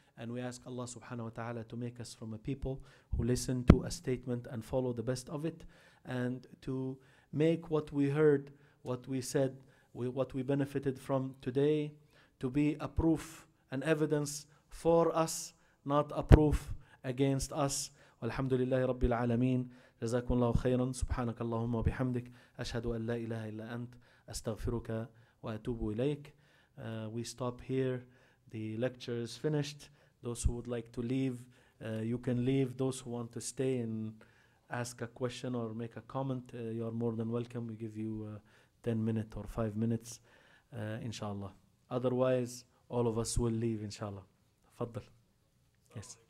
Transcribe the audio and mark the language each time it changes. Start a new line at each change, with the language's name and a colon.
English: And we ask Allah subhanahu wa ta'ala to make us from a people who listen to a statement and follow the best of it, and to make what we heard, what we said, what we benefited from today, to be a proof an evidence for us, not a proof against us.
Arabic: والحمد لله رب العالمين جزاكم الله خيرا سبحانك اللهم وبحمدك أشهد أن لا إله إلا أنت أستغفرك وأتوب إليك.
English: We stop here. The lecture is finished. Those who would like to leave, you can leave. Those who want to stay and ask a question or make a comment, you are more than welcome. We give you 10 minutes or 5 minutes, inshallah. Otherwise, all of us will leave, inshallah. Fadl. Yes.